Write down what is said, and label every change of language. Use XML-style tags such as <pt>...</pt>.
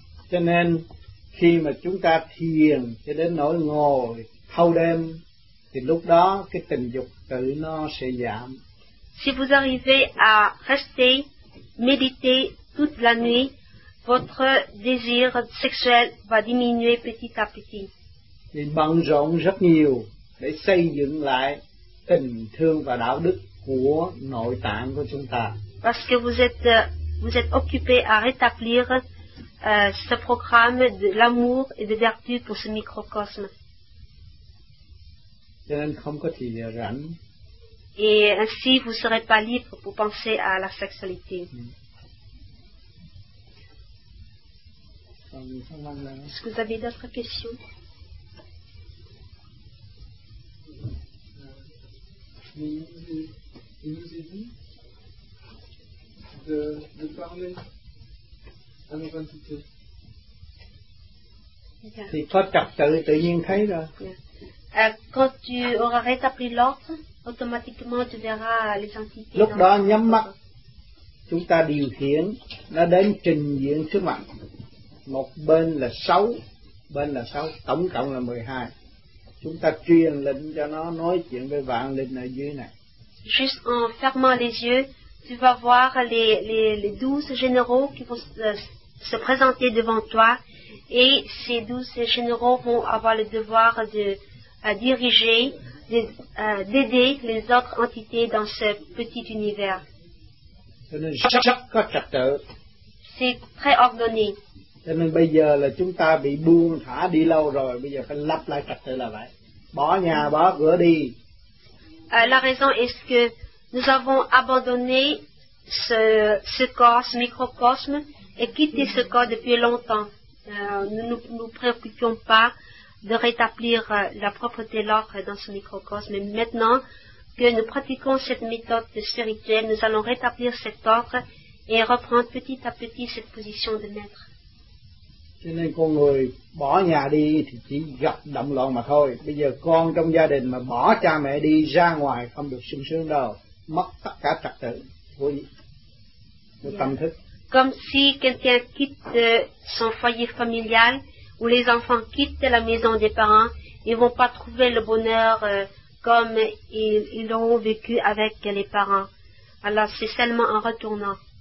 <vi>Cho nên, khi mà chúng ta thiền cho đến nỗi ngồi thâu đêm, thì lúc đó cái tình dục tự nó sẽ giảm.</vi> <fr>Si vous arrivez à rester, méditer toute la nuit, votre désir sexuel va diminuer petit à petit.</fr> <vi>Nên bận rộn rất nhiều để xây dựng lại tình thương và đạo đức của nội tạng của chúng ta.</vi> <fr>Parce que vous êtes occupé à rétablir ce programme de l'amour et de vertu pour ce microcosme.</fr> <vi>Cho nên không có thời gian rảnh.</vi> <fr>Et ainsi vous serez pas libre pour penser à la sexualité. Est-ce que vous avez d'autres questions? Mais il nous est dit de parler à nos entités. Si toi tu as le tien, quand tu auras rétabli l'ordre, automatiquement tu verras les entités.</fr> <vi>Lúc đó nhắm mắt, chúng ta điều khiển nó đến trình diện sức mạnh. Một bên là 6, bên là 6, tổng cộng là 12. Chúng ta truyền lệnh cho nó nói chuyện với vạn linh ở dưới này.</vi> <fr>Juste en fermant les yeux, tu vas voir les 12 généraux qui vont se présenter devant toi et ces 12 généraux vont avoir le devoir de diriger, d'aider les autres entités dans ce petit univers. C'est très ordonné.</fr> <vi>Cho nên bây giờ là chúng ta bị buông thả đi lâu rồi, bây giờ phải lắp lại trật tự là vậy. Bỏ nhà, bỏ cửa đi.</vi> <fr>La raison est que nous avons abandonné ce corps, ce microcosme, et quitté ce corps depuis longtemps. Nous ne nous préoccupions pas de rétablir la propreté de l'ordre dans ce microcosme. Mais maintenant que nous pratiquons cette méthode spirituelle, nous allons rétablir cet ordre et reprendre petit à petit cette position de maître.</fr> <vi>Cho nên con người bỏ nhà đi thì chỉ gặp động loạn mà thôi. Bây giờ con trong gia đình mà bỏ cha mẹ đi ra ngoài không được sung sướng đâu. Mất tất cả trật tự của tâm thức.</vi> <fr>Comme si quelqu'un quitte son foyer familial ou les enfants quittent la maison des parents, ils vont pas trouver le bonheur comme ils l'ont vécu avec les parents. Alors c'est seulement en retournant.</fr>